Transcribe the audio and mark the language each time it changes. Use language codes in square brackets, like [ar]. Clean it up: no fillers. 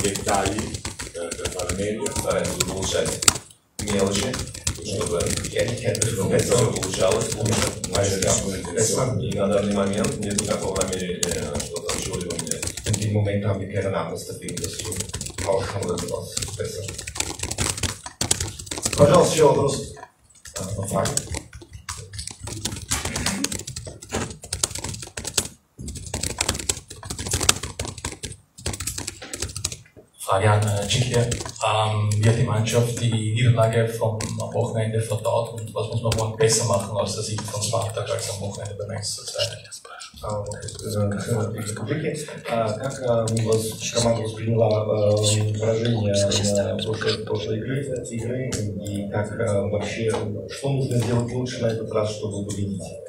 [it] dettagli per fare meglio. Fare più veloce. Mieloce. [de] In dem Moment haben wir keinen Anlass dafür, das zu tauschen oder sowas. Besser. [ru] Пожалуйста, еще вопрос. [de] Fabian Cicchi, wie hat die Mannschaft die Niederlage vom Wochenende verdaut und was muss man morgen besser machen aus der Sicht von Spartak als am Wochenende beim 1:2? [ru] Как у вас команда восприняла поражение прошлой игры и как вообще, что нужно сделать лучше на этот раз, чтобы победить?